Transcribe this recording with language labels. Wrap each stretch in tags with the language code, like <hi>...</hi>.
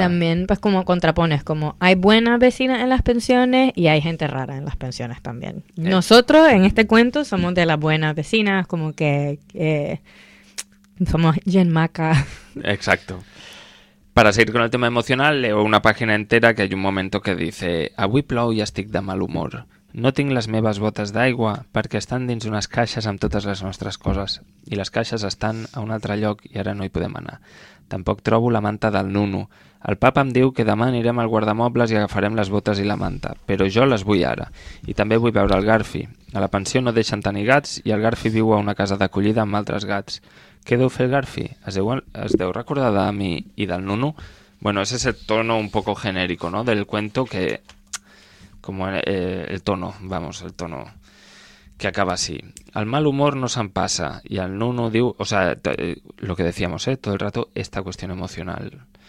<es>también, pues, como contrapones, como hay buenas vecinas en las pensiones y hay gente rara en las pensiones también. Nosotros, en este cuento, somos de las buenas vecinas, como que... somos Jen Maca. Exacto. Para seguir con el tema emocional, leo una página entera que hay un momento que dice:</es> <ca>«Avui plou i estic de mal humor. No tinc les meves botes d'aigua perquè estan dins unes caixes amb totes les nostres coses i les caixes estan a un altre lloc i ara no hi podem anar. Tampoc trobo la manta del Nuno. El papa em diu que demà anirem al guardamobles i agafarem les botes i la manta, però jo les vull ara. I també vull veure el Garfi. A la pensió no deixen tenir gats i el Garfi viu a una casa d'acollida amb altres gats. Què deu fer el Garfi? Es deu recordar de mi i del Nuno?»</ca> <es>Bueno, ese es el tono un poco genérico, ¿no?, del cuento, que... Como el tono, vamos, el tono que acaba así.</es> <ca>«Al mal humor no se en pasa y al Nuno diu...»</ca> <es>O sea, lo que decíamos, todo el rato, esta cuestión emocional.</es>